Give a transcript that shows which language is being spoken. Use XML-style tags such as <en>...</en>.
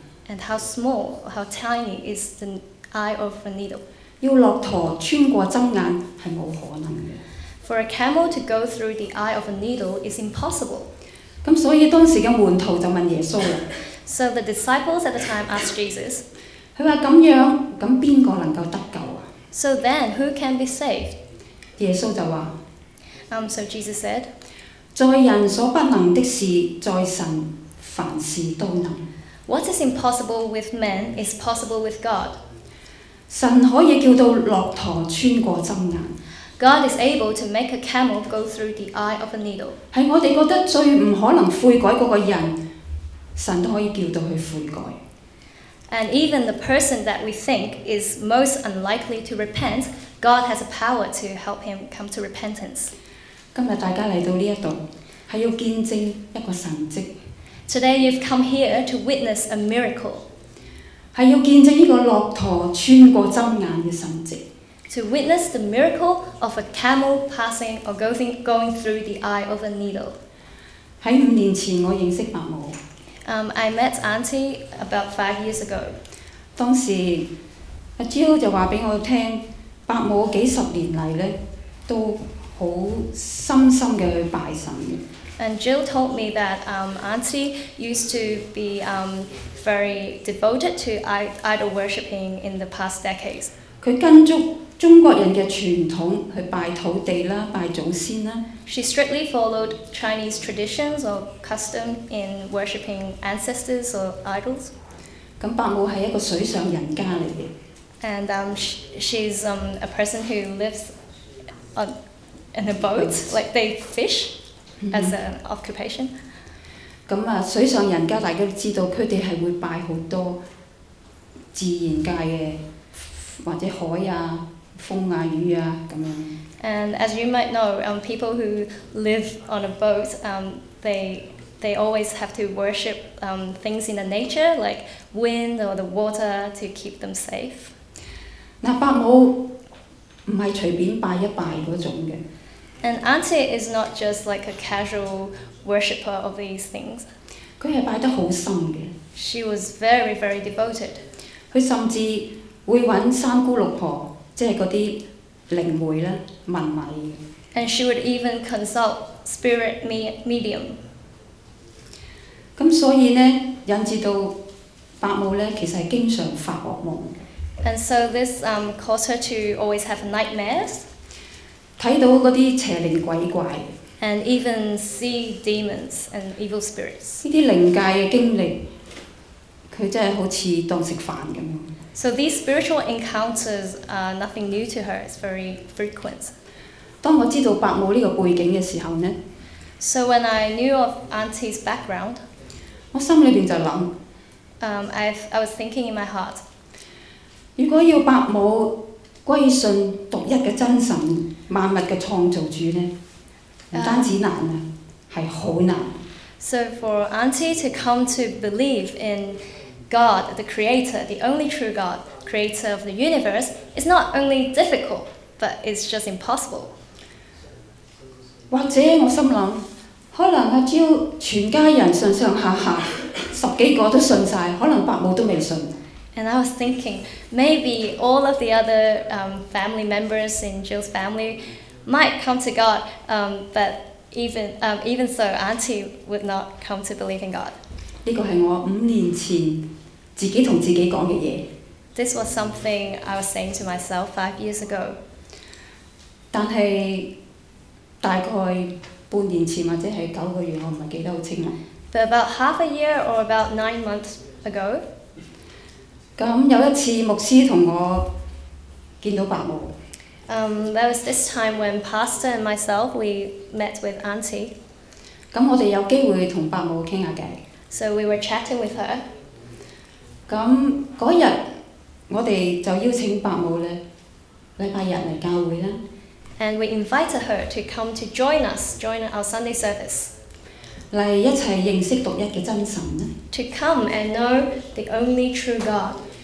<en>？And how small, how tiny is the eye of a needle?</en> <zh>要駱駝穿過針眼係冇可能嘅。</zh> <en>For a camel to go through the eye of a needle is impossible.</en> <zh>咁所以當時嘅門徒就問耶穌啦。</zh> <en>So the disciples at the time asked Jesus,</en> <zh>他說這樣，那誰能夠得救啊?</zh> <en>So then, who can be saved?</en> <zh>耶穌就說,</zh> <en>So Jesus said,</en> <zh>在人所不能的事，在神凡事都能。</zh> <en>What is impossible with men is possible with God.</en> <zh>神可以叫到駱駝穿過針眼。</zh> <en>God is able to make a camel go through the eye of a needle.</en> <zh>是我們覺得最不可能悔改的那個人神都可以叫到佢悔改。</zh> <en>And even the person that we think is most unlikely to repent, God has a power to help him come to repentance.</en> <zh>今日大家嚟到呢一度，係要見證一個神蹟。</zh> <en>Today you've come here to witness a miracle.</en> <zh>係要見證呢個駱駝穿過針眼嘅神蹟。</zh> <en>To witness the miracle of a camel passing or going through the eye of a needle.</en> <zh>喺五年前我認識伯母。</zh> <en>I met Auntie about 5 years ago.</en> <zh>當時阿 Jill 就話俾我聽，伯母幾十年嚟咧都好深深嘅去拜神。</zh> <en>And Jill told me that Auntie used to be very devoted to idol worshiping in the past decades.</en> <zh>佢跟足中國人嘅傳統去拜土地啦，拜祖先啦。</zh> <en>She strictly followed Chinese traditions or custom in worshipping ancestors or idols.</en> <zh>咁伯母係一個水上人家嚟嘅。</zh> <en>And she's a person who lives on in a boat, like they fish. as an occupation.</en> <zh>咁啊，水上人家大家都知道，佢哋係會拜好多自然界嘅或者海啊、風啊、雨啊咁樣。</zh> <en>And as you might know, people who live on a boat, they always have to worship things in the nature, like wind or the water, to keep them safe.</en> <zh>那伯母唔係隨便拜一拜嗰種嘅。</zh> <en>And auntie is not just like a casual worshipper of these things.</en> <zh>佢係拜得好深嘅。</zh> <en>She was very, very devoted.</en> <zh>佢甚至會揾三姑六婆，即係嗰啲靈媒咧問米。</zh> <en>And she would even consult spirit medium.</en> <zh>咁所以咧，引致到伯母咧，其實係經常發噩夢。</zh> <en>And so this caused her to always have nightmares.</en> <zh>睇到嗰啲邪靈鬼怪。</zh> <en>And even see demons and evil spirits.</en> <zh>呢啲靈界嘅經歷，佢真係好似當食飯咁。</zh> <en>So these spiritual encounters are nothing new to her. It's very frequent.</en> <zh>當我知道伯母呢個背景嘅時候咧</zh> <en>，So when I knew of Auntie's background，</en> <zh>我心裏邊就諗</zh> <en>，I was thinking in my heart，</en> <zh>如果要伯母歸信獨一嘅真神、萬物嘅創造主咧，唔單止難啊，係好難。</zh> <en>So for Auntie to come to believe in God, the Creator, the only true God, Creator of the universe, is not only difficult, but it's just impossible.</en> <zh>或者我心諗，可能阿蕉全家人上上下下十幾個都信曬，可能伯母都未信。</zh> <en>And I was thinking, maybe all of the other family members in Jill's family might come to God, but even so, Auntie would not come to believe in God.</en> <zh>呢個係我五年前。自己同自己講嘅嘢。</zh> <en>This was something I was saying to myself 5 years ago.</en> <zh>但係大概半年前或者係九個月，我唔係記得好清啦。</zh> <en>But about half a year or about 9 months ago.</en> <zh>咁有一次牧師同我見到伯母。</zh> <en>There was this time when Pastor and myself we met with Auntie.</en> <zh>咁我哋有機會同伯母傾下偈。</zh> <en>So we were chatting with her.</en> <zh>咁嗰日我哋就邀請伯母咧，禮拜日嚟教會啦。</zh> <en>And we invited her to come to join our Sunday service.</en> <zh>嚟一齊認識獨一嘅真神啦。</zh> <en>To come and know the only true God.</en>